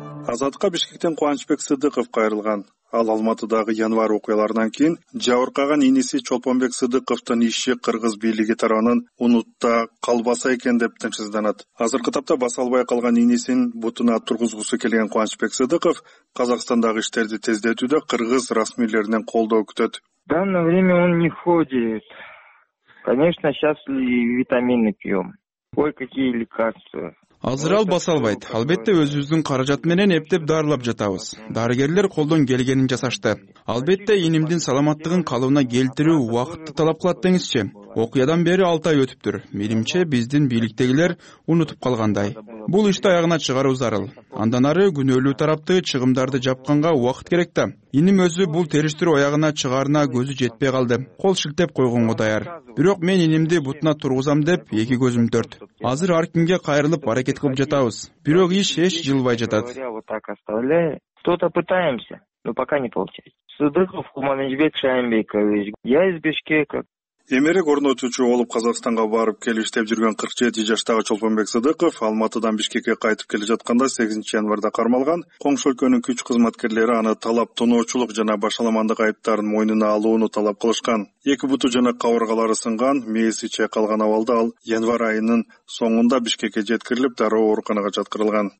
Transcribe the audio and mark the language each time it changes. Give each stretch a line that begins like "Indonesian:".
Kyrgyz: Азатка Бишкектен Куанычбек Сыдыков кайрылган. Ал Алматыдагы январь окуяларынан кийин жабыркаган иниси Чолпонбек Сыдыковтун иши кыргыз бийлиги тарабынан унутта калбаса экен деп тынчсызданат. Азыркы тапта баса албай калган инисин бутуна тургузгусу келген Куанычбек Сыдыков Казакстандагы иштерди тездетүүдө кыргыз расмийлеринен колдоо күтөт.
Russian: В данное время он не ходит. Конечно, сейчас витамины пьем. Ой, какие лекарства.
Kyrgyz: Азыр ал баса албайт. Албетте өзүбүздүн каражат менен эптеп дарылап жатабыз. Дарыгерлер колдон келгенин жасашты. Албетте инимдин саламаттыгын калыбына келтирүү убакытты талап кылат деңизчи. Окуядан бери 6 ай өтүптүр. Менимче биздин бийликтегилер унутуп калгандай. Бул ишти аягына чыгаруу зарыл. Андан ары күнөөлүү тарапты чыгымдарды жапканга убакыт керек да. Иним өзү бул териштирүү аягына чыгарына көзү жетпей калды. Кол шилтеп койгонго даяр. Бирок мен инимди бутуна тургузам деп эки көзүм төрт. Азыр ар кимге кайрылып аракет кылып жатабыз. Бирок иш эч жылбай жатат.
Russian: Что-то пытаемся, но пока не получается. Сыдыков Куманычбек Шайынбекович. Я из Бишкека.
Kyrgyz: Эмерек орнотуучу болуп Казакстанга барып келиштеп жүргөн 47 жаштагы Чолпонбек Сыдыков Алматыдан Бишкекке кайтып келе жатканда 8 январда кармалган. Коңшу өлкөнүн күч кызматкерлери аны талап тоноочулук жана башаламандык айыптарын мойнуна алууну талап кылышкан. Эки буту жана кабыргалары сынган, мээси чайкалган абалда ал январь айынын соңунда Бишкекке жеткирилип, дароо ооруканага жаткырылган.